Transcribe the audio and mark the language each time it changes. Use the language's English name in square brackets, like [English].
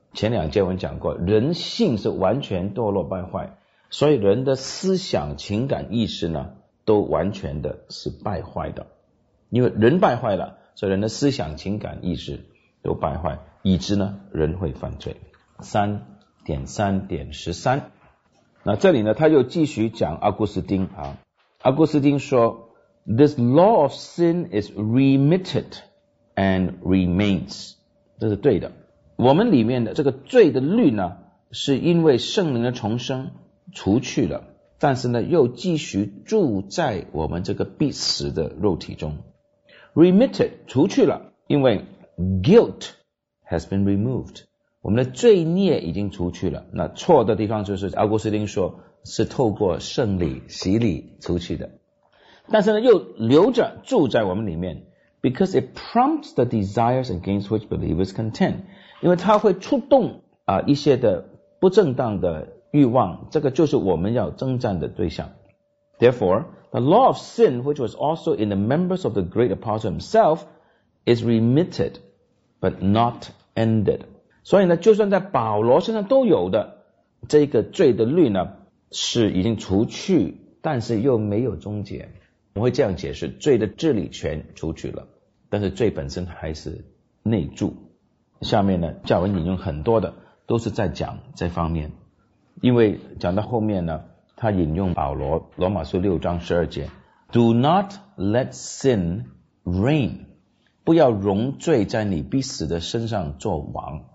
[Chinese] 前两节我们讲过，人性是完全堕落败坏，所以人的思想、情感、意识呢，都完全的是败坏的。因为人败坏了，所以人的思想、情感、意识都败坏，以致呢，人会犯罪。 3.3.13，那这里呢，他又继续讲阿古斯丁啊。阿古斯丁说 [English] ，This law of sin is remitted and remains， [Chinese] 这是对的。我们里面的这个罪的律呢，是因为圣灵的重生除去了，但是呢又继续住在我们这个必死的肉体中。 Remitted 除去了，因为 [English] guilt has been removed， [Chinese] 我们的罪孽已经除去了。那错的地方就是奥古斯丁说是透过圣礼洗礼除去的，但是呢又留着住在我们里面。 [English] Because it prompts the desires against which believers contend， [Chinese] 因为它会触动一些的不正当的欲望，这个就是我们要征战的对象。 [English] Therefore, the law of sin which was also in the members of the great apostle himself is remitted but not ended。 [Chinese] 所以呢，就算在保罗身上都有的这个罪的律呢，是已经除去但是又没有终结。我会这样解释，罪的治理权除去了，但是罪本身还是内住。下面呢，教文引用很多的都是在讲这方面，因为讲到后面呢，他引用保罗罗马书6:12 [English] Do not let sin reign， [Chinese] 不要容罪在你必死的身上做王。